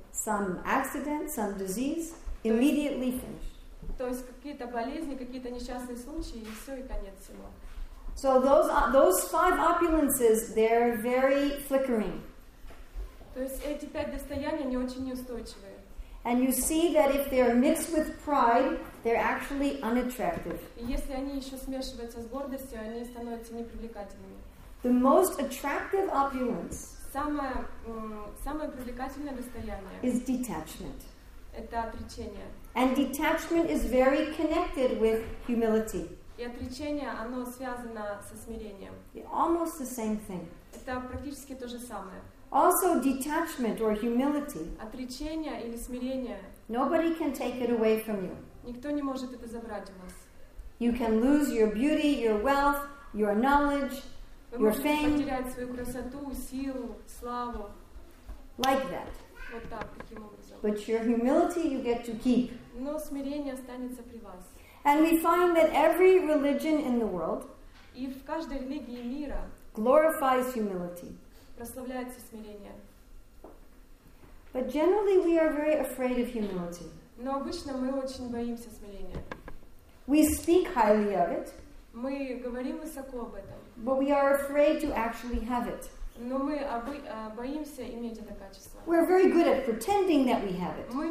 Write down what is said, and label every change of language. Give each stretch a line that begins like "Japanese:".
English: Some accident, some disease, immediately finished.
Russian: То есть какие-то болезни, какие-то несчастные случаи, и все, и конец всего.
English: So those five opulences, they're very flickering.
Russian: То есть эти пять достояний, они очень неустойчивые.
English: And you see that if they are mixed with pride, they're actually unattractive.
Russian: И если они еще смешиваются с гордостью, они становятся непривлекательными.
English: The most attractive opulence
Russian: самое привлекательное достояние
English: is detachment.
Russian: Это отречение.
English: And detachment is very connected with humility.
Russian: И отречение, оно связано со смирением.
English: Almost the same thing.
Russian: Это практически то же самое.
English: Also detachment or humility.
Russian: Отречение или смирение.
English: Nobody can take it away from you.
Russian: Никто не может это забрать у вас.
English: You can lose your beauty, your wealth, your knowledge, your fame.
Russian: Вы можете потерять свою красоту, силу, славу.
English: Like that.
Russian: Вот так, таким образом.
English: But your humility you get to keep.
Russian: Но смирение останется при вас.
English: And we find that every religion in the world
Russian: и в каждой религии мира
English: glorifies humility.
Russian: Прославляется смирение.
English: But generally we are very afraid of humility.
Russian: Но обычно мы очень боимся смирения.
English: We speak highly of it.
Russian: Мы говорим высоко об этом.
English: But we are afraid to actually have it.
Russian: Но мы боимся иметь это качество.
English: We're very good at pretending that we have it.